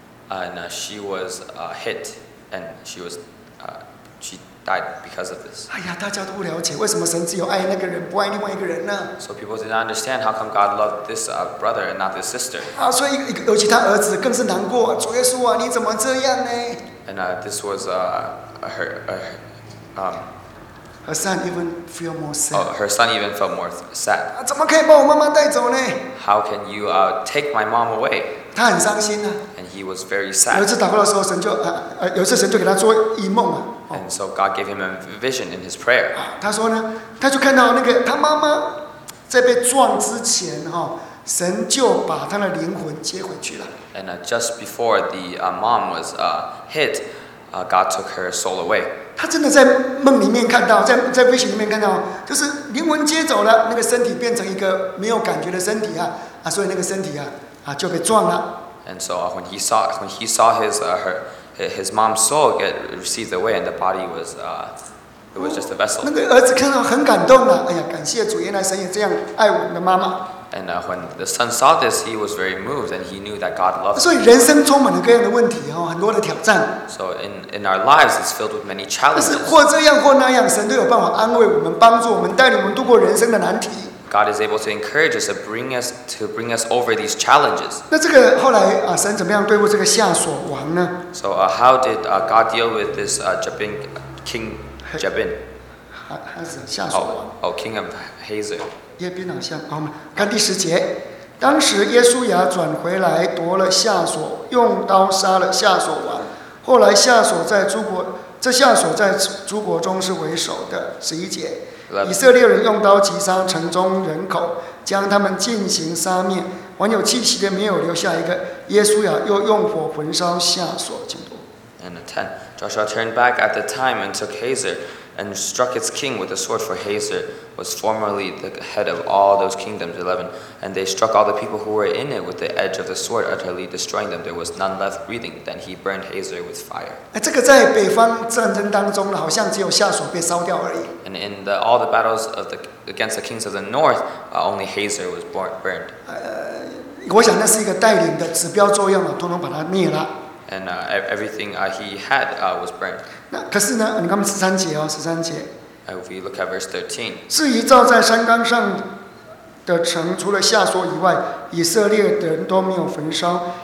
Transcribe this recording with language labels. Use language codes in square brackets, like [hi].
[en] And she was hit, and she died because of this. [zh] 哎呀，大家都不了解，为什么神只有爱那个人，不爱另外一个人呢 [en] ？So people did not understand how come God loved this brother and not this sister. [zh] 啊，所以尤其他儿子更是难过。主耶稣啊，你怎么这样呢 [en] ？And this was her son even feel more sad. Oh, her son even felt more sad. [zh] 啊，怎么可以把我妈妈带走呢 [en] ？How can you take my mom away? [zh] 他很伤心啊。 [en] And he was very sad. [zh] 有一次祷告的时候，神就有一次神就给他做一梦啊。 [en] And so God gave him a vision in his prayer. [zh] 他说呢，他就看到那个他妈妈在被撞之前哈，神就把他的灵魂接回去了。 [en] And just before the mom was hit, God took her soul away. [zh] 他真的在梦里面看到，在 vision 里面看到，就是灵魂接走了，那个身体变成一个没有感觉的身体啊，所以那个身体啊就被撞了。 [en] And so when he saw his mom's soul get received away and the body was it was just a vessel. [zh] 那个儿子看到很感动了，哎呀，感谢主，原来神也这样爱我们的妈妈。 [en] And when the son saw this, he was very moved, and he knew that God loved him. [zh] 所以人生充满了各样的问题哦，很多的挑战。 [en] So in our lives, it's filled with many challenges. [zh] 但是或这样或那样，神都有办法安慰我们、帮助我们、带领我们度过人生的难题。 [en] God is able to encourage us to bring us over these challenges. [zh] 那这个后来啊，神怎么样对付这个夏所王呢 [en] ？So how did God deal with this Jabin King Jabin? [zh] Hazor 夏所王。 [en] Oh, King of Hazor. [zh] 耶宾好像，好，看第十节。当时耶稣雅转回来夺了夏所，用刀杀了夏所王。后来夏所在诸国，这夏所在诸国中是为首的。十一节，以色列人用刀击杀城中人口，将他们进行杀灭，还有气息的没有留下一个。耶稣雅又用火焚烧夏所。请读。 [en] And ten, Joshua turned back at the time and took Hazor, and struck its king with a sword, for Hazor was formerly the head of all those kingdoms. 11, and they struck all the people who were in it with the edge of the sword, utterly destroying them. There was none left breathing. Then he burned Hazor with fire. [zh] 这个在北方战争当中，好像只有夏所被烧掉而已。 [en] And in the, all the battles of the, against the kings of the north, only Hazor was burned. [zh] 我想那是一个带领的指标作用，统统把它灭了。 [en] And everything he had was burned. [zh] 那可是呢？你看十三节哦，十三节。 [en] If we look at verse 13. [zh] 至于造在山岗上的城，除了夏所以外，以色列的人都没有焚烧。